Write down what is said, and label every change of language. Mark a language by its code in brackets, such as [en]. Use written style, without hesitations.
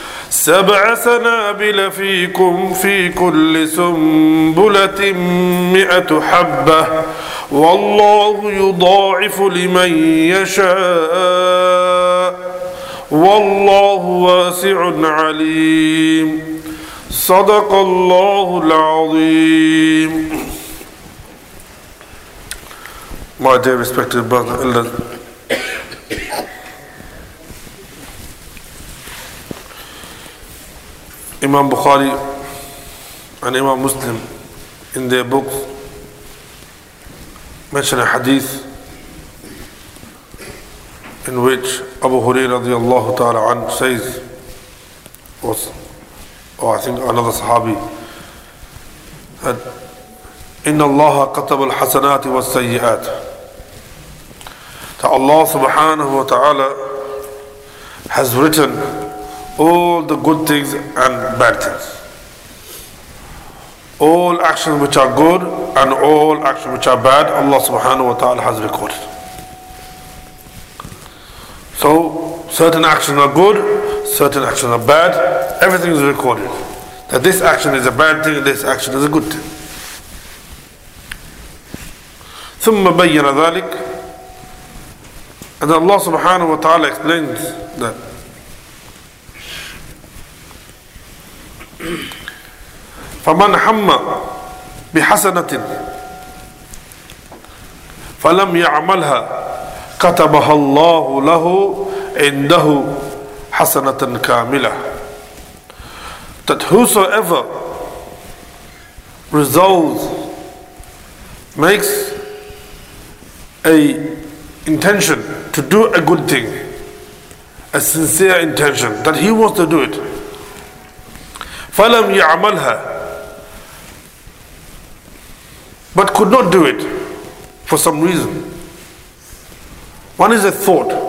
[ar] سبع سنابل في كل سنبلة 100 حبة والله يضاعف لمن يشاء والله واسع عليم صدق الله العظيم. [en] My dear respected brother elders, Imam Bukhari and Imam Muslim in their books mention a hadith in which Abu Hurairah radiallahu ta'ala anhu says, another sahabi, that [ar] inna Allah katab al hasanati wa sayyiat, [en] that Allah subhanahu wa ta'ala has written all the good things and bad things, all actions which are good and all actions which are bad, Allah subhanahu wa ta'ala has recorded. So certain actions are good, certain actions are bad, everything is recorded. That this action is a bad thing, this action is a good thing. [ar] ثم بين ذلك, [en] and then Allah subhanahu wa ta'ala explains that [ar] فَمَنْ حَمَّ بِحَسَنَةٍ فَلَمْ يَعْمَلْهَا كَتَبَهَا اللَّهُ لَهُ عِنْدَهُ حَسَنَةً كَامِلَةً. [en] That whosoever resolves, makes a intention to do a good thing, a sincere intention that he wants to do it, [ar] فَلَمْ يَعْمَلْهَا, [en] but could not do it for some reason. One is a thought.